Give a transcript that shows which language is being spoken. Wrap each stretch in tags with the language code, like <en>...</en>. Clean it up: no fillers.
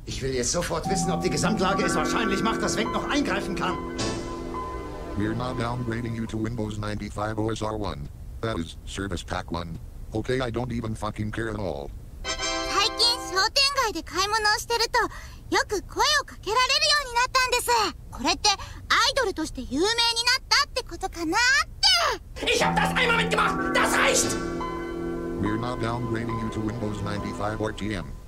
<de>Ich will jetzt sofort wissen, ob die Gesamtlage es wahrscheinlich macht, dass Venk noch eingreifen kann.</de> <en>We're not downgrading you to Windows 95 OS R1. That is, Service Pack 1. Okay, I don't even fucking care at all.</en> <ja>最近、商店街で買い物をしてると、よく声をかけられるようになったんです。これって、アイドルとして有名になったってことかなって。</ja> <de>Ich hab das einmal mitgemacht! Das reicht!</de> <en>We're not downgrading you to Windows 95 or TM.</en>